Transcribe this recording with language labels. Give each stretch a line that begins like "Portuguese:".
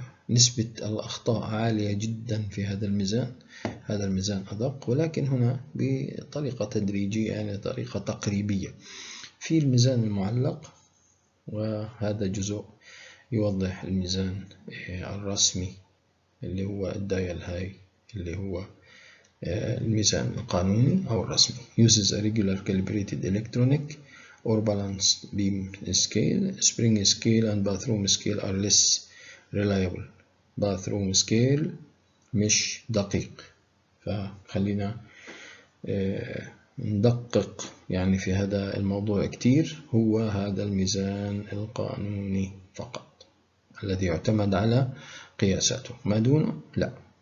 Arabic: نسبة الأخطاء عالية جدا في هذا الميزان، هذا الميزان أدق، ولكن هنا بطريقة تدريجية يعني طريقة تقريبية في الميزان المعلق، وهذا جزء يوضح الميزان الرسمي اللي هو الدايل هاي اللي هو الميزان القانوني أو الرسمي.
English: uses a regular calibrated electronic or balanced beam scale. spring scale and bathroom scale are less reliable.
Arabic: bathroom scale مش دقيق. فخلينا ندقق يعني في هذا الموضوع كتير، هو هذا الميزان القانوني فقط الذي يعتمد على قياساته، ما دونه لا.